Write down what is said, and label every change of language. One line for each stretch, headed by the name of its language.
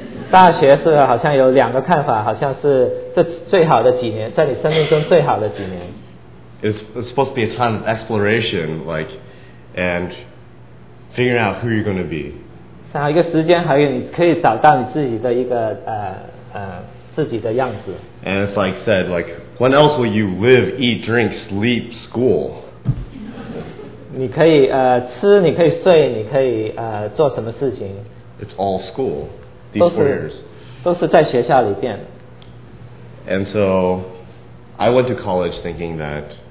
Chinese: 大学是好像有两个看法，好像是这最好的几年，在你生命中最好的几年。
English: It's supposed to be a time of exploration, like, and figuring out who you're going to be.
Chinese: 像一个时间，还有你可以找到你自己的一个自己的样子。
English: And it's like said, like, when else will you live, eat, drink, sleep, school?
Chinese: 你可以吃，你可以睡，你可以做什么事情
English: ？It's all school. These 4 years.
Chinese: 都是在学校里边。
English: And so, I went to college thinking that.